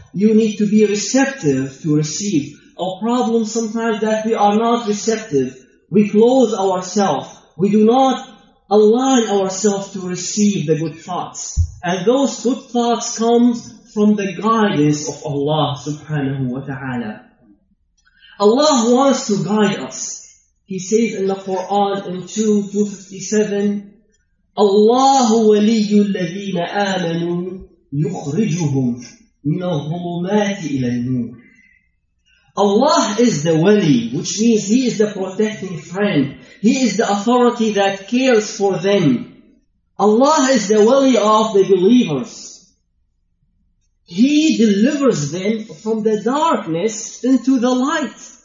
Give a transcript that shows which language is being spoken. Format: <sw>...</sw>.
<en>You need to be receptive to receive. Our problem sometimes that we are not receptive. We close ourselves. We do not align ourselves to receive the good thoughts. And those good thoughts come from the guidance of Allah subhanahu wa ta'ala. Allah wants to guide us. He says in the Quran in 2:257,</en> <ar>اللَّهُ وَلِيُّ الَّذِينَ آمَنُوا يُخْرِجُهُمْ مِنَ الظُّلُمَاتِ إِلَى النُّورِ.</ar> <en>Allah is the wali, which means He is the protecting friend. He is the authority that cares for them. Allah is the wali of the believers. He delivers them from the darkness into the light.</en>